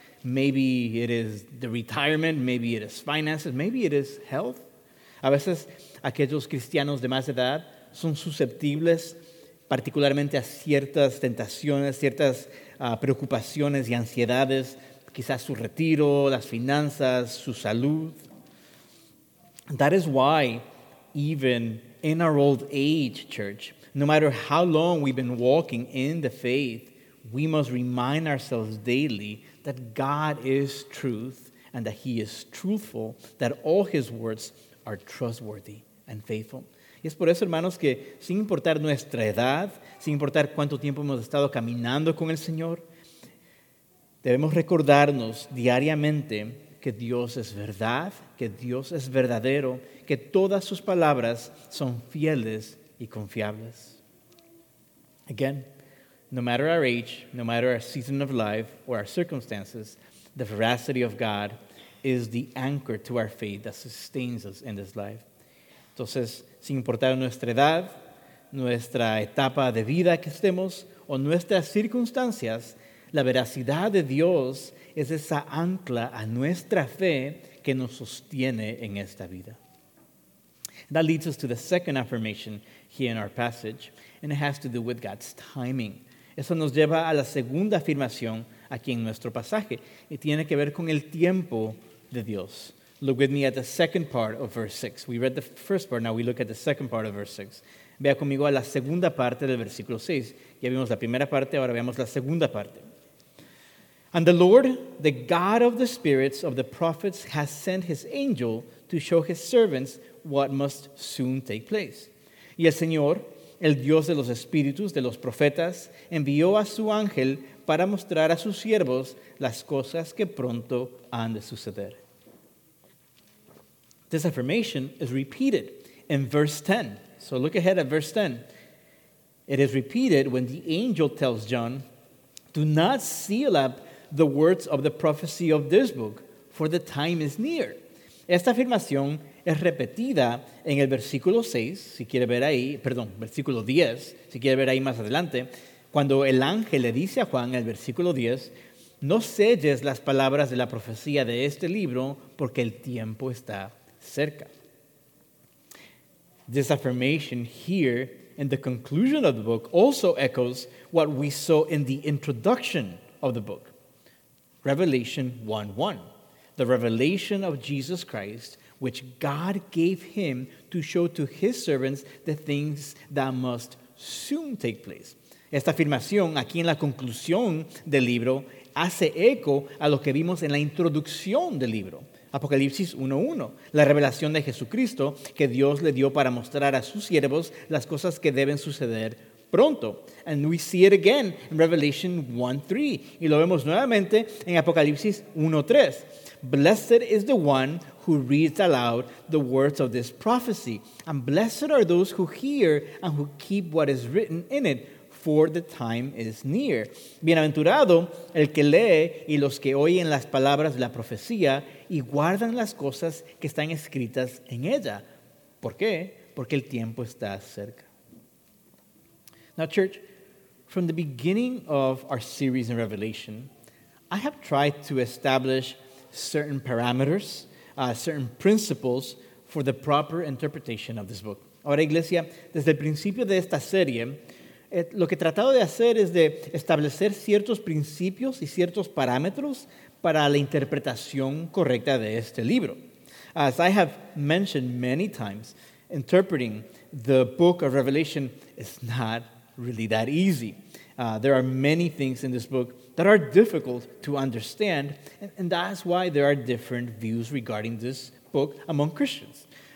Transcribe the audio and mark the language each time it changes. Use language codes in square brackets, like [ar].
[en] Maybe it is the retirement, maybe it is finances, maybe it is health. [es] A veces aquellos cristianos de más edad son susceptibles particularmente a ciertas tentaciones, ciertas preocupaciones y ansiedades, quizás su retiro, las finanzas, su salud. [en] That is why even in our old age, church, no matter how long we've been walking in the faith, we must remind ourselves daily that God is truth and that he is truthful, that all his words are trustworthy and faithful. [es] Y es por eso, hermanos, que sin importar nuestra edad, sin importar cuánto tiempo hemos estado caminando con el Señor, debemos recordarnos diariamente que Dios es verdad, que Dios es verdadero, que todas sus palabras son fieles y confiables. [en] Again, no matter our age, no matter our season of life or our circumstances, the veracity of God is the anchor to our faith that sustains us in this life. [es] Entonces, sin importar nuestra edad, nuestra etapa de vida que estemos o nuestras circunstancias, la veracidad de Dios es esa ancla a nuestra fe que nos sostiene en esta vida. [en] That leads us to the second affirmation here in our passage, and it has to do with God's timing. [es] Eso nos lleva a la segunda afirmación aquí en nuestro pasaje, y tiene que ver con el tiempo de Dios. [en] Look with me at the second part of verse 6. We read the first part, now we look at the second part of verse 6. [es] Vea conmigo a la segunda parte del versículo 6. Ya vimos la primera parte, ahora veamos la segunda parte. [en] And the Lord, the God of the spirits of the prophets, has sent his angel to show his servants what must soon take place. [es] Y el Señor, el Dios de los espíritus, de los profetas, envió a su ángel para mostrar a sus siervos las cosas que pronto han de suceder. [en] This affirmation is repeated in verse 10. So look ahead at verse 10. It is repeated when the angel tells John, "Do not seal up the words of the prophecy of this book, for the time is near." [es] Esta afirmación es repetida en el versículo 6, si quiere ver ahí, perdón, versículo 10, si quiere ver ahí más adelante, cuando el ángel le dice a Juan en el versículo 10, "No selles las palabras de la profecía de este libro, porque el tiempo está cerca." [en] This affirmation here in the conclusion of the book also echoes what we saw in the introduction of the book. Revelation 1:1, the revelation of Jesus Christ, which God gave him to show to his servants the things that must soon take place. [es] Esta afirmación aquí en la conclusión del libro hace eco a lo que vimos en la introducción del libro. Apocalipsis 1:1, la revelación de Jesucristo que Dios le dio para mostrar a sus siervos las cosas que deben suceder pronto. [en] And we see it again in Revelation 1:3, [es] y lo vemos nuevamente en Apocalipsis 1:3. [en] Blessed is the one who reads aloud the words of this prophecy, and blessed are those who hear and who keep what is written in it, for the time is near. [es] Bienaventurado el que lee y los que oyen las palabras de la profecía y guardan las cosas que están escritas en ella. ¿Por qué? Porque el tiempo está cerca. [en] Now, church, from the beginning of our series in Revelation, I have tried to establish certain parameters, certain principles for the proper interpretation of this book. [es] Ahora, iglesia, desde el principio de esta serie, lo que he tratado de hacer es de establecer ciertos principios y ciertos parámetros para la interpretación correcta de este libro. [en] As I have mentioned many times, interpreting the book of Revelation is not really that easy. There are many things in this book that are difficult to understand, and that's why there are different views regarding this book among Christians.